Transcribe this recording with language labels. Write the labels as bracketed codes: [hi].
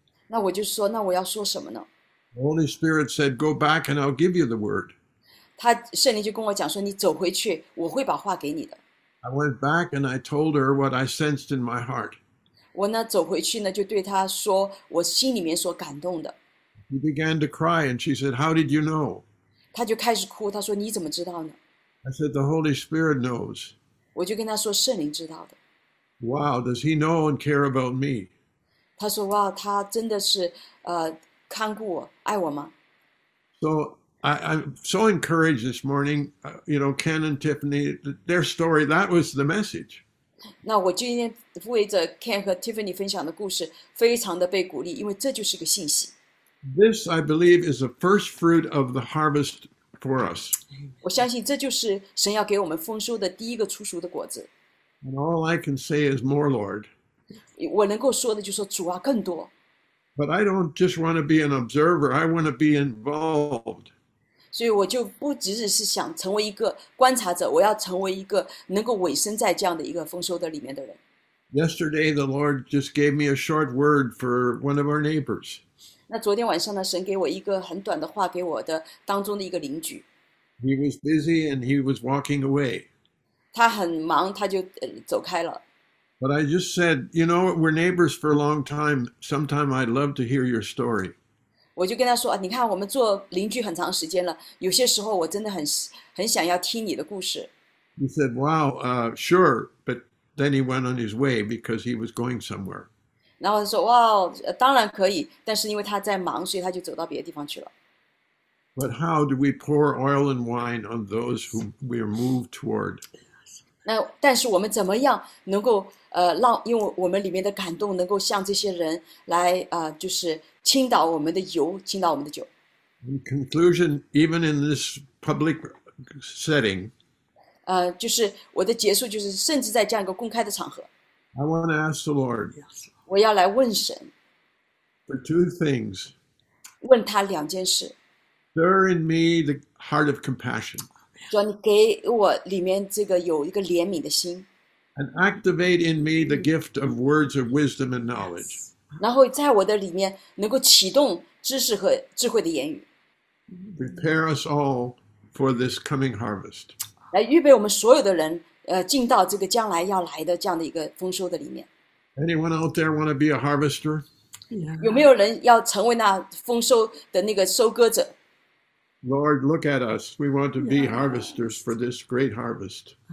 [zh] 那我就说，那我要说什么呢 [en] ？The Holy Spirit said, "Go back, and I'll give you the word." [zh] 他圣灵就跟我讲说，你走回去，我会把话给你的。 [en] I went back and I told her what I sensed in my heart. [zh] 我呢走回去呢，就对他说我心里面所感动的。 [en] She began to cry, and she said, "How did you know?" [zh] 他就开始哭，他说你怎么知道呢 [en] ？I said, "The Holy Spirit knows." [zh] 我就跟他说圣灵知道的。 [en] Wow, does He know and care about me? [zh] 他说哇，他真的是看顾我，爱我吗 [en] ？So I'm so encouraged this morning. You know, Ken and Tiffany, their story. That was the message. [zh] 那我今天为着 Ken 和 Tiffany 分享的故事，非常的被鼓励，因为这就是个信息。 [en] This, I believe, is the first fruit of the harvest for us. [zh] 我相信这就是神要给我们丰收的第一个出熟的果子。 [en] And all I can say is more, Lord. [zh] 我能够说的就是说主啊更多 [en] But I don't just want to be an observer, I want to be involved. [zh] 所以我就不只是想成为一个观察者，我要成为一个能够委身在这样的一个丰收的里面的人。 [en] Yesterday, the Lord just gave me a short word for one of our neighbors. [zh] 那昨天晚上呢，神给我一个很短的话给我的当中的一个邻居。 [en] He was busy and he was walking away. [zh] 他很忙，他就走开了。 [en] But I just said, you know, we're neighbors for a long time. Sometime I'd love to hear your story. [zh] 我就跟他说，你看，我们做邻居很长时间了，有些时候我真的很想要听你的故事。 [en] He said, "Wow, sure," but then he went on his way because he was going somewhere. [zh] 然后他说，哇，当然可以，但是因为他在忙，所以他就走到别的地方去了。 [en] But how do we pour oil and wine on those who we are moved toward? [zh] 那但是我们怎么样能够让因为我们里面的感动能够向这些人来就是倾倒我们的油，倾倒我们的酒。 [en] In conclusion, even in this public setting, [zh] 就是我的结束就是甚至在这样一个公开的场合。 [en] I want to ask the Lord. [zh] 我要来问神。 [en] For two things. [zh] 问他两件事。 [en] Stir in me the heart of compassion. [zh] 主，你给我里面这个有一个怜悯的心 [en] ，and activate in me the gift of words of wisdom and knowledge。 [zh] 然后在我的里面能够启动知识和智慧的言语。 [en] Prepare us all for this coming harvest。 [zh] 来预备我们所有的人，进到这个将来要来的这样的一个丰收的里面。 [en] Anyone out there want to be a harvester？ [zh] 有没有人要成为那丰收的那个收割者？ [en] Lord, look at us. We want to be harvesters for this great harvest.